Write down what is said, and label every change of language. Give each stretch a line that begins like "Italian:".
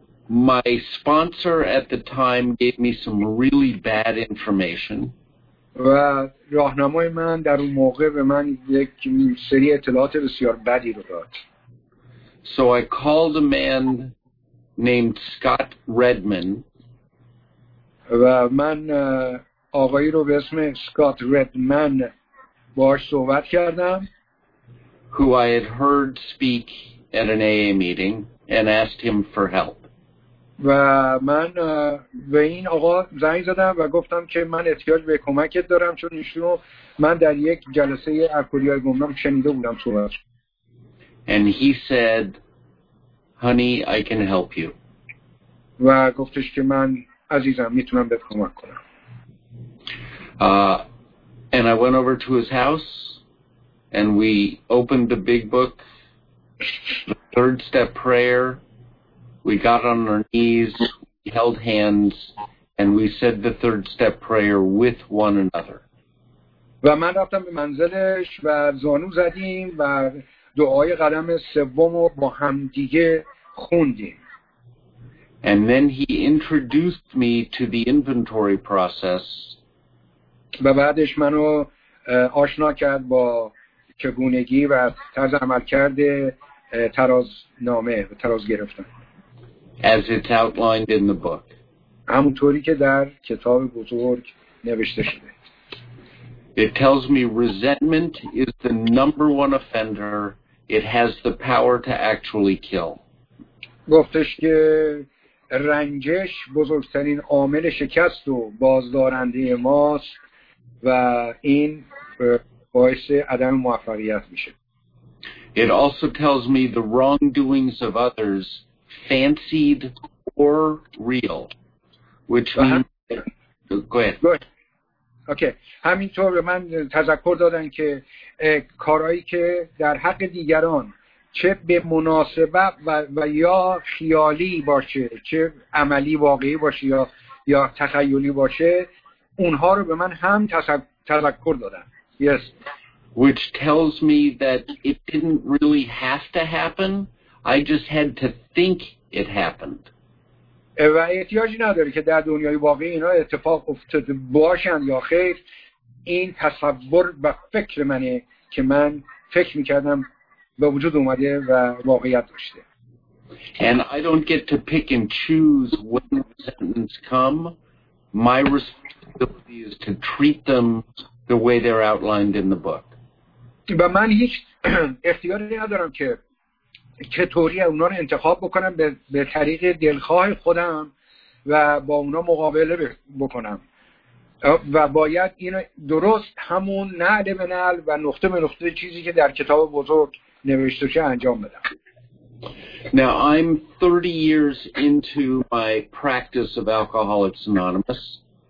English: My sponsor at the time gave me some really bad information.
Persian: و راهنمای من در اون موقع به من یک سری اطلاعات بسیار بدی رو داد.
English: So I called a man named Scott Redman.
Persian: و من آقایی رو به اسم اسکات ردمن باهاش صحبت کردم.
English: Who I had heard speak at an AA meeting and asked him for help.
Persian: و من به این آقا زنگ زدم و گفتم که من احتیاج به کمکت دارم چون ایشونو من در یک جلسه الکلی‌های گمنام شنیده بودم صحبت.
English: And he said, "Honey, I can help you."
Persian: و گفتش که من عزیزم میتونم بهت کمک کنم.
English: And I went over to his house and we opened the big book, the third step prayer. We got on our knees, we held hands, and we said the third step prayer with one another.
Persian: و من رفتم به منزلش و زانو زدیم و دعای قدم سوم رو با هم دیگه خوندیم.
English: And then he introduced me to the inventory process.
Persian: و بعدش منو آشنا کرد با چگونگی و طرز عمل کرده تراز نامه و تراز گرفتن.
English: As it's outlined in the book.
Persian: همونطوری که در کتاب بزرگ نوشته شده.
English: It tells me resentment is the number one offender. It has the power to actually kill.
Persian: گفتش که رنجش بزرگترین عامل شکست و بازدارنده ماست و این باعث عدم موفقیت میشه.
English: It also tells me the wrongdoings of others fancied or real, which means go ahead. Okay.
Persian: همینطور به من تذکر دادن که کارهایی که در حق دیگران چه به مناسبت و یا خیالی باشه چه عملی واقعی باشه یا تخیلی باشه اونها رو به من هم تذکر دادن.
English: Yes. Which tells me that it didn't really have to happen. I just had to think it happened.
Persian: و احتیاجی نداره که در دنیای واقعی اینا اتفاق افتاده باشن یا خیر این تصور و فکر منه که من فکر میکردم به وجود اومده و واقعیت داشته.
English: And I don't get to pick and choose when the sentence come. My responsibility is to treat them the way they're outlined in the book.
Persian: و من هیچ اختیاری ندارم که چطوری اونا رو انتخاب بکنم به طریق دلخواه خودم و با اونا مقابله بکنم و باید این درست همون نعل به نعل و نقطه به نقطه چیزی که در کتاب بزرگ نوشته شده انجام بدم.
English: Now I'm 30 years into my practice of Alcoholics Anonymous.